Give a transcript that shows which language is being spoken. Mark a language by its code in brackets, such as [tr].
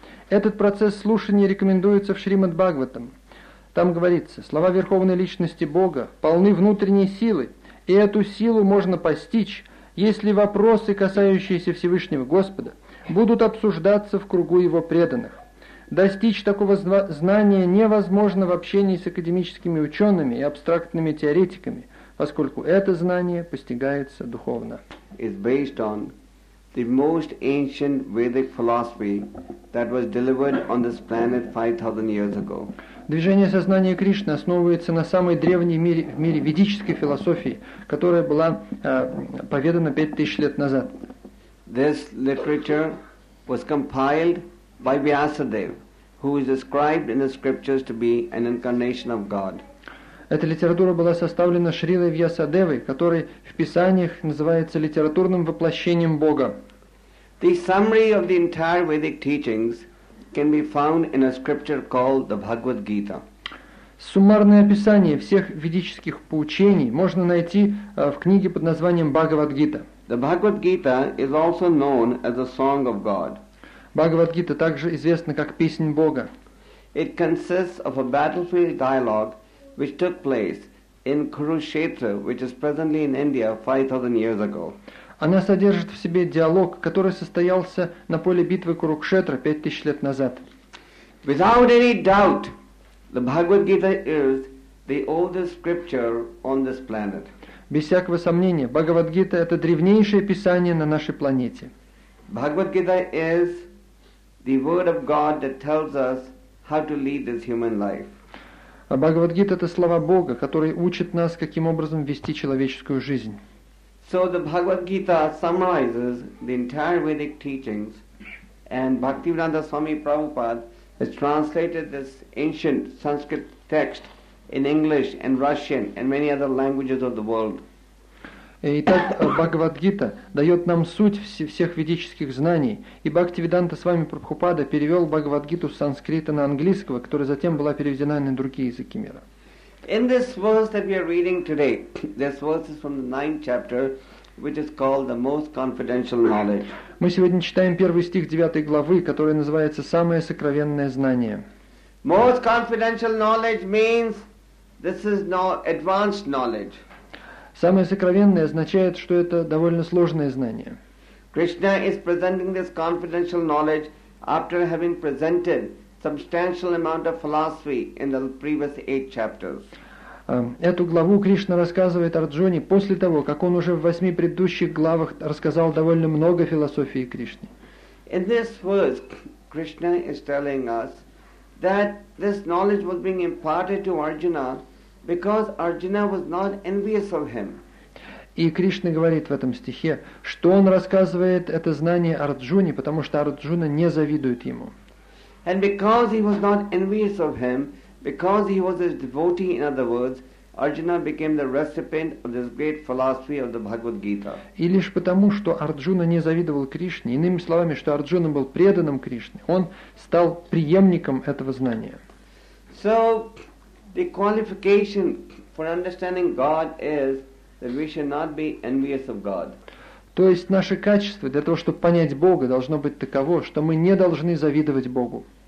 [ru] Этот процесс слушания рекомендуется в Шримад-Бхагаватам. Там говорится, слова Верховной Личности Бога полны внутренней силы, и эту силу можно постичь, если вопросы, касающиеся Всевышнего Господа, будут обсуждаться в кругу его преданных. Достичь такого знания невозможно в общении с академическими учеными и абстрактными теоретиками, поскольку это знание постигается духовно. [en] It's based on the most ancient Vedic philosophy that was delivered on this planet 5000 years ago. [ru] Движение сознания Кришны основывается на самой древней в мире ведической философии, которая была поведана 5000 лет назад. [en] This literature was compiled by Vyasadeva, who is described in the scriptures to be an incarnation of God. [ru] Эта литература была составлена Шрилой Вьясадевой, который в Писаниях называется литературным воплощением Бога. [en] The summary of the entire Vedic teachings can be found in a scripture called the Bhagavad Gita. [ru] Суммарное описание всех ведических поучений можно найти в книге под названием Бхагавад Гита. [en] The Bhagavad Gita is also known as the Song of God. [ru] Бхагавад-гита также известна как «Песнь Бога». [en] It consists of a battlefield dialogue which took place in Kurukshetra, which is presently in India 5000 years ago. [ru] Она содержит в себе диалог, который состоялся на поле битвы Курукшетра 5000 лет назад. [en] Without any doubt, the Bhagavad Gita is the oldest scripture on this planet. [ru] Без всякого сомнения, Бхагавад-гита – это древнейшее писание на нашей планете. Бхагавад-гита – это [en] Word of God, that tells us how to lead this human life. [ru] А Бхагавад-гита – это слова Бога, которые учат нас, каким образом вести человеческую жизнь. [en] So the Bhagavad-gita summarizes the entire Vedic teachings, and Bhaktivedanta Swami Prabhupada has translated this ancient Sanskrit text in English and Russian and many other languages of the world. [ru] Итак, Бхагавад-гита дает нам суть всех ведических знаний, и Бхактивиданта Свами Прабхупада перевел Бхагавад-гиту с санскрита на английского, которая затем была переведена на другие языки мира. [en] In this verse that we are reading today, this verse is from the 9th chapter, which is called the most confidential knowledge. [ru] Мы сегодня читаем первый стих 9 главы, который называется «Самое сокровенное знание». [en] Most confidential knowledge means this is not advanced knowledge. [ru] Самое сокровенное означает, что это довольно сложное знание. [en] Krishna is presenting this confidential knowledge after having presented substantial amount of philosophy in the previous 8 chapters. [ru] Эту главу Кришна рассказывает Арджуне после того, как он уже в 8 предыдущих главах рассказал довольно много философии Кришны. [en] In this verse, Krishna is telling us that this knowledge was being imparted to Arjuna because Arjuna was not envious of him. [ru] И Кришна говорит в этом стихе, что он рассказывает это знание Арджуне, потому что Арджуна не завидует ему. [en] And because he was not envious of him, because he was his devotee, in other words, Arjuna became the recipient of this great philosophy of the Bhagavad Gita. [ru] И лишь потому, что Арджуна не завидовал Кришне, иными словами, что Арджуна был преданным Кришне, он стал преемником этого знания. [en] So, the qualification for understanding God is that we should not be envious of God. [ru] То есть наше качество для того, чтобы понять Бога, должно быть таково, что мы не должны завидовать Богу.